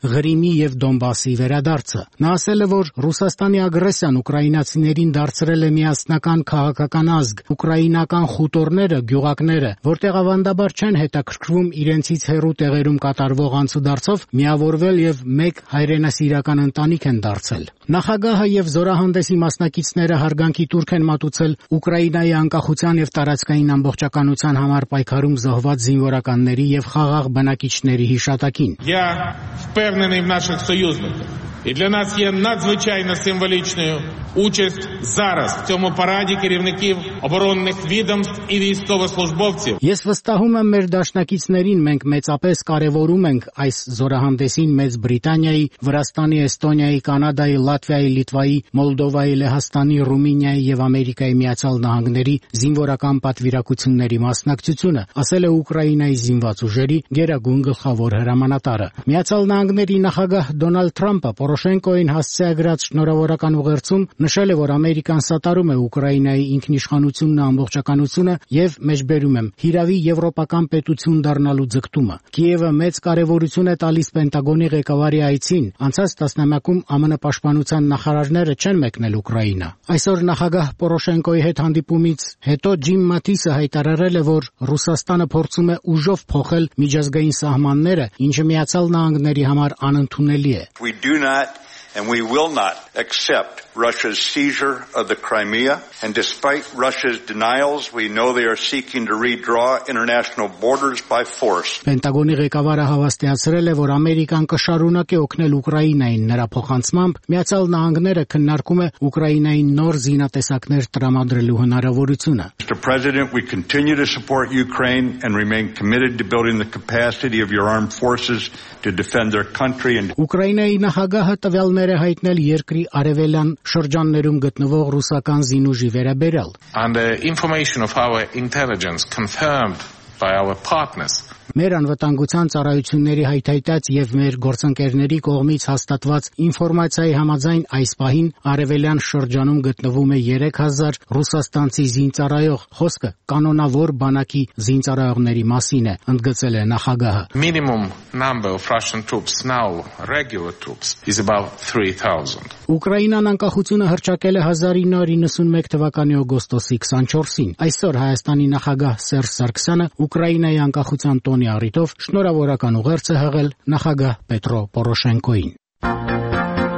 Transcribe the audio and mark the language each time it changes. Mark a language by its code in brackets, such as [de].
[hy] Ղրիմի եւ Դոնբասի վերադարձը։ Նա ասել է, որ ռուսաստանի ագրեսիան ուկրաինացիներին դարձրել է միասնական քաղաքական ազգ, ուկրաինական խուտորները, գյուղակները, որտեղ ավանդաբար չեն հետաքրքրվում իրենցից հեռու տեղերում կատարվող անցուդարձով, միավորվել եւ մեկ հայրենասիրական ընտանիք են դարձել։ Նախագահը եւ զորահանդեսի մասնակիցները հարգանքի տուրք են մատուցել Ուկրաինայի անկախության եւ տարածքային ամբողջականության համար պայքարում զոհված զինվորականների եւ խաղաղ բնակիչների հիշատակին։ [uk] Я впевнен в наших союзниках. И для нас є надзвичайно символічною участь зараз в цьому параді керівників оборонних відомств і військовослужбовців. [hy] Ես վստահում եմ մեր դաշնակիցներին, մենք մեծապես կարևորում ենք այս զորահանդեսին Մեծ Բրիտանիայի, Վրաստանի, Էստոնիայի, Կանադայի, Լատվիայի, Լիտվայի, Մոլդովայի, Լեհաստանի, Ռումինիայի եւ Ամերիկայի Միացյալ Նահանգների զինվորական պատվիրակությունների մասնակցությունը, ասել է Ուկրաինայի զինված ուժերի գերագույն գլխավոր հրամանատարը։ Միացյալ Նահանգների նախագահ Դոնալդ Թրամփը Պորոշենկոին հասցե ագրած շնորհավորական ուղերձում նշել է, որ Ամերիկան սատարում է Ուկրաինայի ինքնիշխանությունն ու ամբողջականությունը եւ մեջբերում է հիրավի եվրոպական պետություն դառնալու ձգտումը։ Կիևը մեծ կարևորություն է տալիս Պենտագոնի ղեկավարի այցին։ Անցած տասնամյակում ԱՄՆ պաշտպանության նախարարները չեն մեկնել Ուկրաինա։ Այսօր նախագահ Պորոշենկոյի հետ հանդիպումից հետո Ջիմ Մաթիսը հայտարարել է, որ Ռուսաստանը փորձում է ուժով փոխել միջազգային սահմանները, ինչը Միացյալ Նահանգների համար անընդունելի է։ [en] Do not and we will not accept Russia's seizure of the Crimea. And despite Russia's denials, we know they are seeking to redraw international borders by force. [hy] Պենտագոնի ղեկավարը հավաստիացրել է, որ Ամերիկան կշարունակի օգնել Ուկրաինային նրա փոխանցմամբ, Միացյալ Նահանգները քննարկում է Ուկրաինային նոր զինատեսակներ տրամադրելու հնարավորությունը. [en] Mr. President, we continue to support Ukraine and remain committed to building the capacity of your armed forces to defend their country and [hy] Ուկրաինայի նախագահը տվյալներ է հայտնել երկրի արևելյան շրջաններում գտնվող ռուսական զինուժի վերաբերյալ. [en] And the information of our intelligence confirmed by our partners. [hy] Մեր անվտանգության ծառայությունների հայթայտած եւ մեր գործընկերների կողմից հաստատված ինֆորմացիայի համաձայն այս պահին արևելյան շրջանում գտնվում է 3000 ռուսաստանցի զինծառայող, խոսքը կանոնավոր բանակի զինծառայողների մասին է, ընդգծել է նախագահը։ [en] Minimum number of Russian troops now, regular troops, is about 3000. [hy] Ուկրաինան անկախությունը հրճակել է 1991 թվականի օգոստոսի 24-ին։ Այսօր Հայաստանի նախագահ Սերժ Սարգսյանը Ուկրաինայի անկախության Տոնի Արիտով շնորհավորական ուղերձ է հղել նախագահ Պետրո Պորոշենկոին։